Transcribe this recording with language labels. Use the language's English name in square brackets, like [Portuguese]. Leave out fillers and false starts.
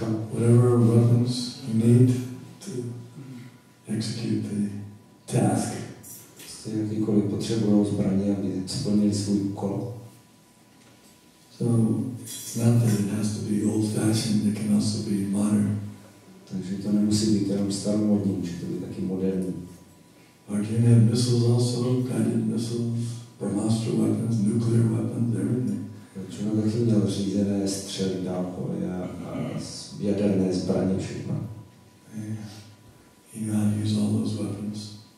[English] Whatever weapons you need to execute the task. [Czech] Jakýkoliv potřebujou zbraně, aby splnili svůj úkol. [English] So, it's not that it has to be old-fashioned, it can also be modern. [Czech] Takže to nemusí být jenom staromodní, může to být taky moderní. [English] Arjuna had missiles also, guided missiles, Brahmastra weapons, nuclear weapons, everything. [Czech] Arjuna taky měl řízené střely dálkové a jaderné zbraně všechno. [English] He knew how to use all those weapons.